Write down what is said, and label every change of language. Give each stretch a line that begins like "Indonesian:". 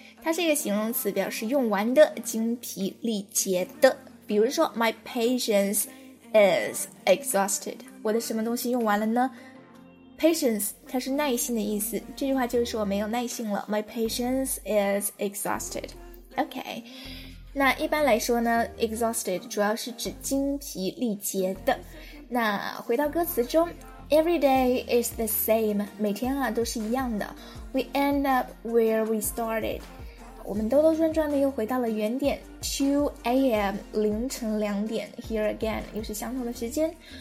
Chinese: 它是一个形容词，表示用完的，精疲力竭的。
English: 比如说 my patience is exhausted.
Chinese: 我的什么东西用完了呢？Patience 它是耐心的意思，这句话就是我没有耐心了，
English: My patience is exhausted.
Chinese: OK， 那一般来说呢， Exhausted 主要是指精疲力竭的。那回到歌词中，
English: Every day is the same，
Chinese: 每天啊都是一样的，
English: We end up where we started，
Chinese: 我们兜兜转转的又回到了原点， 2 AM 凌晨两点，
English: Here again
Chinese: 又是相同的时间。